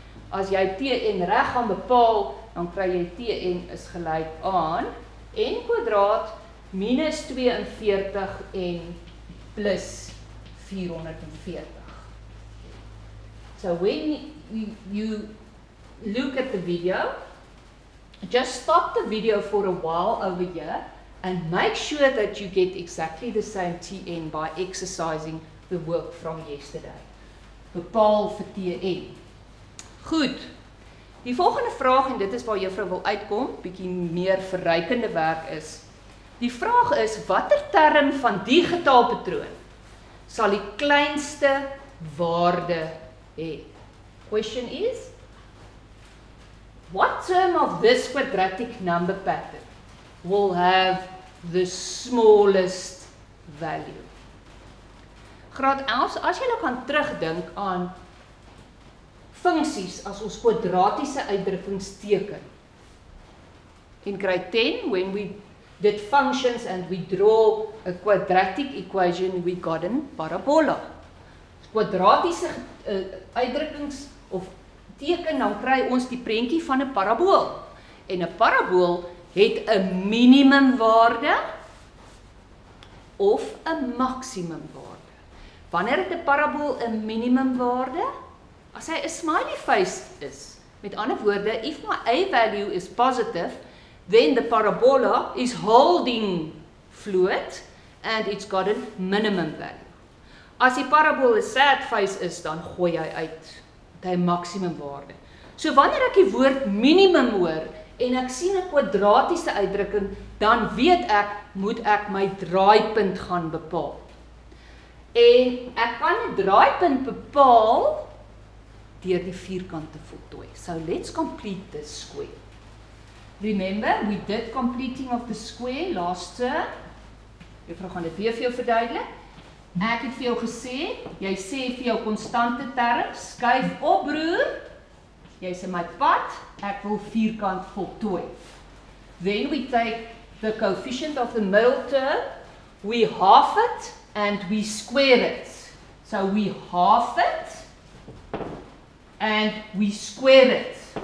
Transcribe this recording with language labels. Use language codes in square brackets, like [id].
[af] As jy tn reg gaan bepaal, dan kry jy tn is gelyk aan n kwadraat minus 42 en plus 440. [en] So when you look at the video, just stop the video for a while over here And make sure that you get exactly the same Tn by exercising the work from yesterday. [af] Bepaal vir Tn. Goed. Die volgende vraag, en dit is waar juffrou wil uitkom, bietjie meer verrykende werk is. Die vraag is, watter term van die getalpatroon sal die kleinste waarde hê? [en] Question is, what term of this quadratic number pattern will have the smallest value? [af] Graad 11, as jy nou kan terugdink aan funksies as ons kwadratiese uitdrukkings teken. [en] In grade 10, when we did functions and we draw a quadratic equation, we got a parabola. [af] Kwadratiese uitdrukkings of teken, dan kry ons die prentjie van 'n parabool. En 'n parabool het 'n minimum waarde of 'n maksimum waarde. Wanneer het 'n parabool 'n minimum waarde? As hy 'n smiley face is. Met ander woorde, [en] if my a value is positive, then the parabola is holding fluid and it's got a minimum value. [af] As die parabool 'n sad face is, dan gooi hy uit met hy maksimum waarde. So wanneer ek die woord minimum hoor en ek sien 'n kwadratiese uitdrukking, dan weet ek moet ek my draaipunt gaan bepaal. En ek kan 'n draaipunt bepaal deur die vierkant te voltooi. [en] So let's complete the square. Remember, we did completing of the square last term. [af] Juffrou gaan dit weer vir jou verduidelik. Ek het vir jou gesê, jy sê vir jou konstante term, skuif op broer, jy's in my pad, ek wil vierkant voltooi. [en] Then we take the coefficient of the middle term, we half it and we square it. So we half it and we square it.